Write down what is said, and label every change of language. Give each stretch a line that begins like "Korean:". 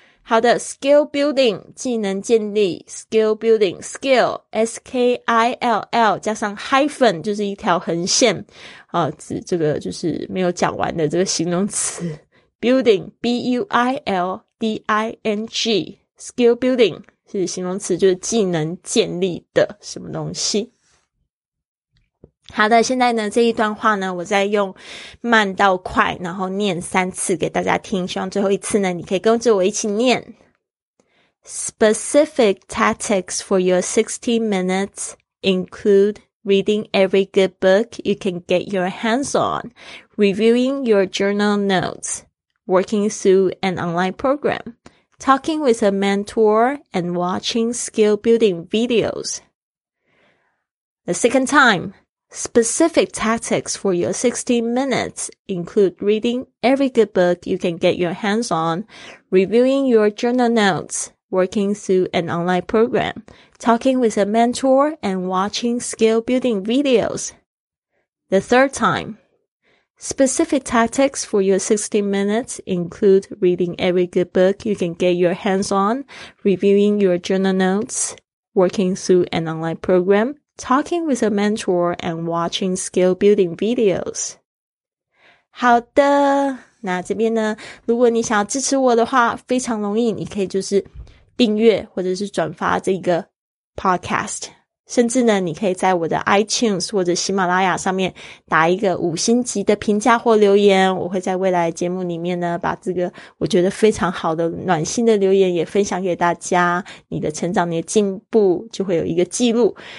Chinese: 好的 ，skill building 技能建立 ，skill building skill S K I L L 加上 hyphen 就是一条横线啊，指这个就是没有讲完的这个形容词 building B U I L D I N G skill building 是形容词，就是技能建立的什么东西。好的，现在呢这一段话呢我再用慢到快然后念三次给大家听，希望最后一次呢你可以跟着我一起念。
English: Specific tactics for your 60 minutes include reading every good book you can get your hands on, reviewing your journal notes, working through an online program, talking with a mentor, and watching skill building videos. The second time. Specific tactics for your 60 minutes include reading every good book you can get your hands on, reviewing your journal notes, working through an online program, talking with a mentor, and watching skill building videos. The third time, specific tactics for your 60 minutes include reading every good book you can get your hands on, reviewing your journal notes, working through an online program,Talking with a mentor and watching skill building videos.
Chinese: 好的，那这边呢，如果你想要支持我的话，非常容易，你可以就是订阅或者是转发这个 podcast， 甚至呢，你可以在我的 iTunes 或者喜马拉雅上面打一个五星级的评价或留言，我会在未来节目里面呢，把这个我觉得非常好的暖心的留言也分享给大家，你的成长，你的进步就会有一个记录。